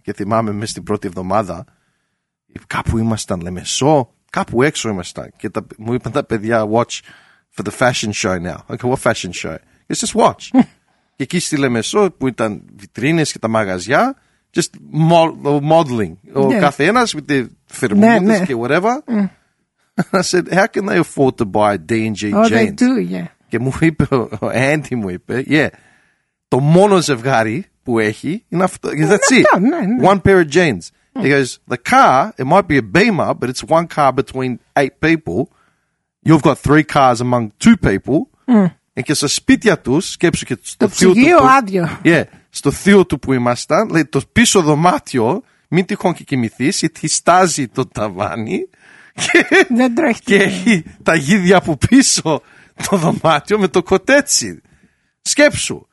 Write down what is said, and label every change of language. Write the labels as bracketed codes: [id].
[el] Και θυμάμαι μέσα στην πρώτη εβδομάδα, κάπου ήμασταν, λέμε, κάπου έξω ήμασταν. Και μου είπαν τα παιδιά, [en] watch, for the fashion show now. Okay, what fashion show? It's just watch. [el] Και εκεί στη Λεμεσό που ήταν βιτρίνες και τα μαγαζιά, [en] just modeling. [el] Ο καθένας με τη φερμούδες και whatever. [en] I said, how can they afford to buy D&G jeans? Oh, they do, yeah. [el] Και μου είπε, ο Andy μου είπε, yeah, το μόνο ζευγάρι που έχει είναι αυτό. [en] That's it. One pair of jeans. He goes, the car, it might be a Beamer, but it's one car between eight people. You've got three cars among two people. And so [el] σπίτια τους, σκέψου και στο θείο του. Το ψυγείο άδειο. Yeah, στο θείο του που ήμασταν, λέει, το πίσω δωμάτιο, μην τυχόν και κοιμηθείς, γιατί στάζει το ταβάνι. Δεν τρέχει. Και έχει τα γίδια από πίσω το δωμάτιο με το κοτέτσι. Σκέψου.